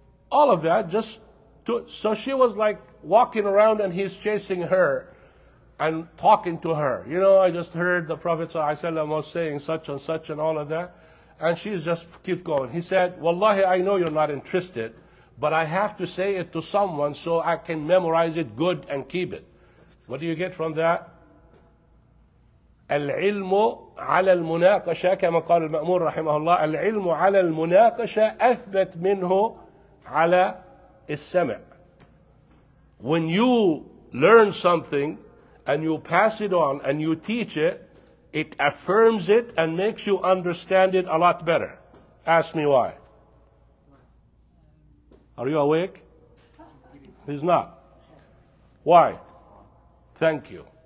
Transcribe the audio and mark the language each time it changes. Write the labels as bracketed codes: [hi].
[en] All of that, just to, so she was like walking around and he's chasing her and talking to her. You know, I just heard the Prophet ﷺ was saying such and such and all of that. And she just keep going. He said, Wallahi, I know you're not interested, but I have to say it to someone so I can memorize it good and keep it. What do you get from that? [ar] العلم على المناقشة كما قال المأمور رحمه الله العلم على المناقشة أثبت منه على السمع. [en] When you learn something and you pass it on and you teach it, it affirms it and makes you understand it a lot better. Ask me why. Are you awake? He's not. Why? Thank you.